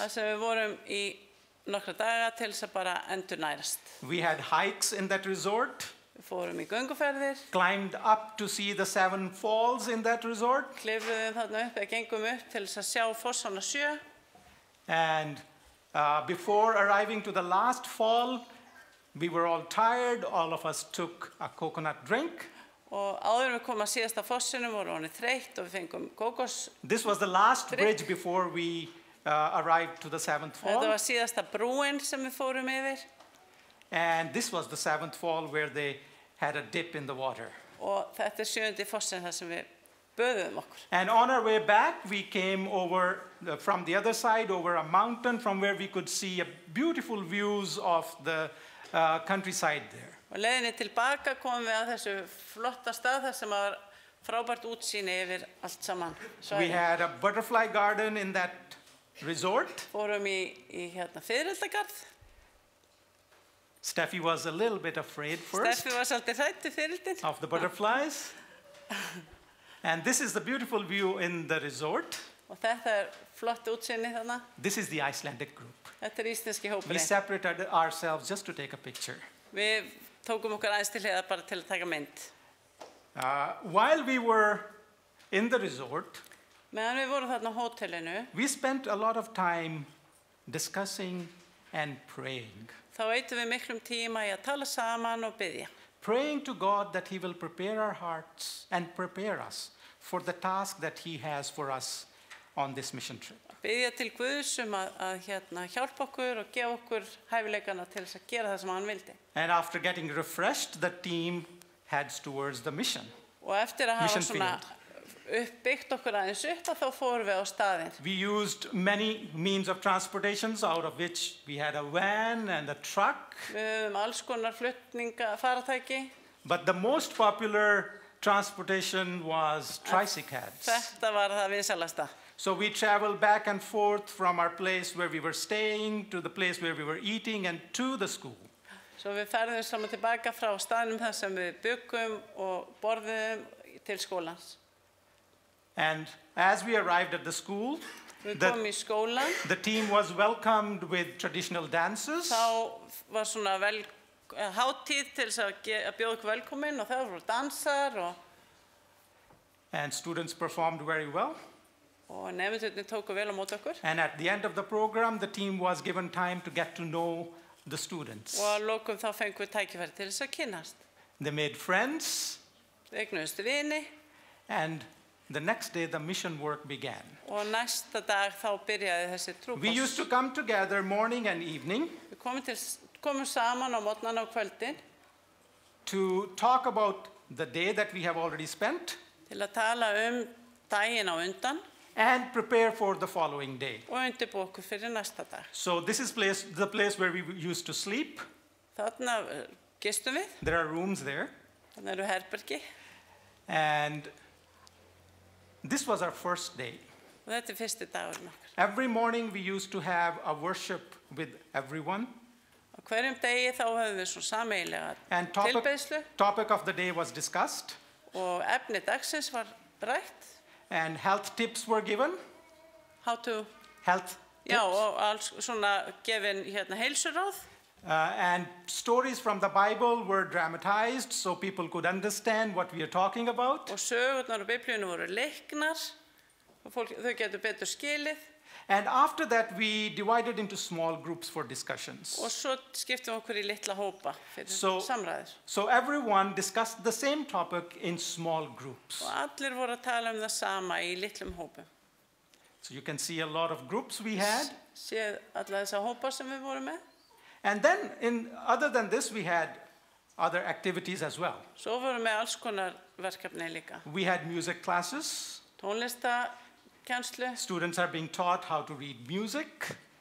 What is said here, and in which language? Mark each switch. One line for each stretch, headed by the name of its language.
Icelandic: Þar sem við vorum í nokkra daga til þess að bara endurnærast.
English: We had hikes in that resort.
Icelandic: Við fórum í gönguferðir.
English: Climbed up to see the seven falls in that resort.
Icelandic: Klifruðum þarna upp, gengum upp til þess að sjá fossana sjö.
English: And before arriving to the last fall, we were all tired. All of us took a coconut drink.
Icelandic: Og áður við komum að síðasta fossinum vorum við þreytt og við fengum kókos.
English: This was the last bridge before we arrived to the seventh fall.
Icelandic: Þetta var síðasta brúin sem við fórum yfir.
English: And this was the seventh fall where they had a dip in the water.
Icelandic: Og þetta er sjöundi fossinn þar sem við böðuðum okkur.
English: And on our way back, we came over from the other side, over a mountain from where we could see a beautiful views of the countryside there.
Icelandic: Og leiðinni tilbaka komum við að þessu flotta stað þar sem var frábært útsýni yfir allt saman.
English: We had a butterfly garden in that resort.
Icelandic: Fórum í hérna fiðrildagarð.
English: Steffi was a little bit afraid first.
Icelandic: Steffi var svolítið hrædd við fiðrildin.
English: Of the butterflies. And this is the beautiful view in the resort.
Icelandic: Og þetta er flott útsýni þarna.
English: This is the Icelandic group.
Icelandic: Þetta er íslenski hópurinn.
English: We separated ourselves just to take a picture.
Icelandic: Við tókum okkur aðeins til hliðar bara til að taka mynd.
English: While we were in the resort.
Icelandic: Meðan við vorum þarna á hótelinu.
English: We spent a lot of time discussing and praying.
Icelandic: Þá eyddum við miklum tíma í að tala saman og biðja.
English: Praying to God that he will prepare our hearts and prepare us for the task that he has for us on this mission trip.
Icelandic: Biðja til Guðs að hérna hjálpa okkur og gefa okkur hæfileikana til þess að gera það sem hann vildi.
English: And after getting refreshed, the team heads towards the mission.
Icelandic: Og eftir að hafa svona uppbyggt okkur aðeins upp, þá fórum við á staðinn.
English: We used many means of transportation, out of which we had a van and a truck.
Icelandic: Við höfum alls konar flutninga faratæki.
English: But the most popular transportation was tricycles.
Icelandic: Þetta var það vinsælasta.
English: So we traveled back and forth from our place where we were staying to the place where we were eating and to the school.
Icelandic: So við ferðum fram og tilbaka frá staðnum þar sem við bjuggum og borðuðum til skólans.
English: And as we arrived at the school, the team was welcomed with traditional dances.
Icelandic: Þá var svona hátíð til að bjóða okkur velkominn og þá voru dansar og
English: and students performed very well.
Icelandic: Og nemendurnir tóku vel á móti okkur.
English: And at the end of the program, the team was given time to get to know the students.
Icelandic: Og að lokum þá fengum við tækifæri til þess að kynnast.
English: They made friends.
Icelandic: Eignuðust vini.
English: And the next day, the mission work began.
Icelandic: Og næsta dag þá byrjaði þessi trúpa.
English: We used to come together morning and evening.
Icelandic: Við komum saman á morgnana og kvöldin.
English: To talk about the day that we have already spent.
Icelandic: Til að tala daginn á undan.
English: And prepare for the following day.
Icelandic: Og undirbúa okkur fyrir næsta dag.
English: So this is the place where we used to sleep.
Icelandic: Þarna gistum við.
English: There are rooms there.
Icelandic: Þarna eru herbergi.
English: And this was our first day.
Icelandic: Og þetta er fyrsti dagur okkar.
English: Every morning we used to have a worship with everyone.
Icelandic: Á hverjum degi þá höfðum við svo sameiginlega tilbeiðslu.
English: And topic of the day was discussed. Og efni dagsins var rætt. And health tips were given. How to? Health tips.
Icelandic: Já, og alls svona gefin hérna heilsuráð.
English: And stories from the Bible were dramatized so people could understand what we are talking about.
Icelandic: Og sögurnar úr Biblíunni voru leiknar og þau getur betur skilið.
English: And after that we divided into small groups for discussions.
Icelandic: Og svo skiptum okkur í litla hópa fyrir samræður.
English: So everyone discussed the same topic in small groups.
Icelandic: Og allir voru að tala það sama í litlum hópum.
English: So you can see a lot of groups we had.
Icelandic: Séð alla þessa hópa sem við vorum með.
English: And then other than this we had other activities as well.
Icelandic: Svo vorum með alls konar verkefni líka.
English: We had music classes.
Icelandic: Tónlista kennslu.
English: Students are being taught how to read music.